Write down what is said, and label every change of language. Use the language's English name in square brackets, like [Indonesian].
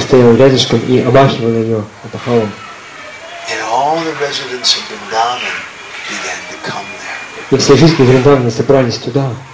[Russian] стояла рядышком и обмахивала ее опахалом. [English] And all the residents of Vrindavan began to come there. [Russian] И все жители Вриндавана собрались туда.